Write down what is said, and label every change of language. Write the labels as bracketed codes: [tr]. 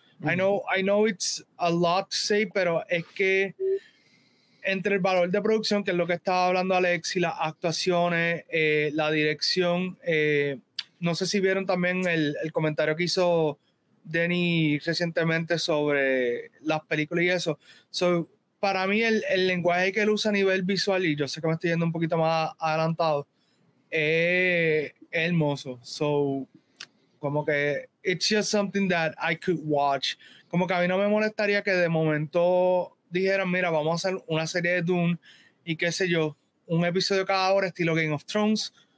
[en] I know it's a lot to say, [es] pero es que entre el valor de producción, que es lo que estaba hablando Alex, y las actuaciones, la dirección, no sé si vieron también el comentario que hizo Denny recientemente sobre las películas y eso. So, para mí el lenguaje que él usa a nivel visual, y yo sé que me estoy yendo un poquito más adelantado, hermoso. [en] So, [es] como que [en] it's just something that I could watch. [es] Como que a mí no me molestaría que de momento dijeran, mira, vamos a hacer una serie de Dune y qué sé yo, un episodio cada hora estilo Game of Thrones.